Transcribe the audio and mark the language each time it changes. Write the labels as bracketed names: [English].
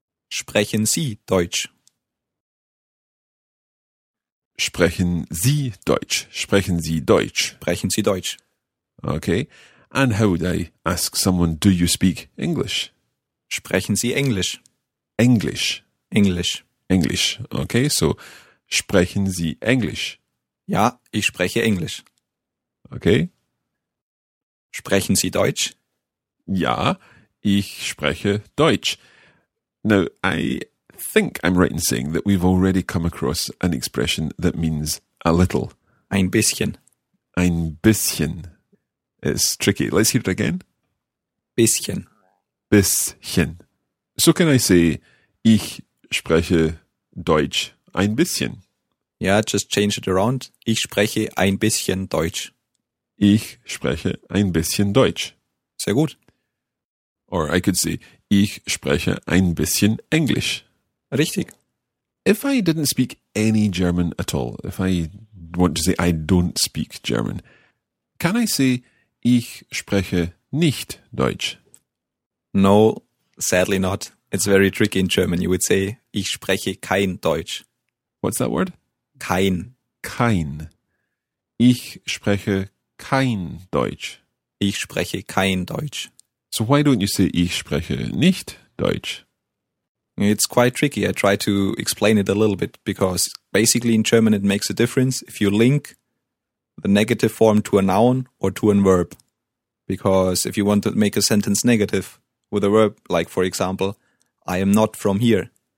[German] Sprechen Sie Deutsch? Sprechen Sie Deutsch? Sprechen Sie Deutsch? Sprechen Sie Deutsch? [English] Okay. And how would I ask someone, do you speak English? [German] Sprechen Sie Englisch? Englisch. Englisch. Englisch. Okay, so sprechen Sie Englisch? Ja, ich spreche Englisch. [English] Okay. [German] Sprechen Sie Deutsch? Ja, ich spreche Deutsch. [English] Now, I think I'm right in saying that we've already come across an expression that means a little. [German] Ein bisschen. Ein bisschen. [English] It's tricky. Let's hear it again. [German] Bisschen. Bisschen. [English] So can I say, [German] ich spreche Deutsch ein bisschen? [English] Yeah, just change it around. [German] Ich spreche ein bisschen Deutsch. Ich spreche ein bisschen Deutsch. Sehr gut. [English] Or I could say, [German] ich spreche ein bisschen Englisch. Richtig. [English] If I didn't speak any German at all, if I want to say I don't speak German, can I say, [German] ich spreche nicht Deutsch? [English] No, sadly not. It's very tricky in German. You would say, [German] ich spreche kein Deutsch. [English] What's that word? [German] Kein. Kein. Ich spreche kein Deutsch. Ich spreche kein Deutsch. [English] So why don't you say, [German] ich spreche nicht Deutsch? [English] It's quite tricky. I try to explain it a little bit because basically in German it makes a difference if you link the negative form to a noun or to a verb. Because if you want to make a sentence negative with a verb, like for example, I am not from here.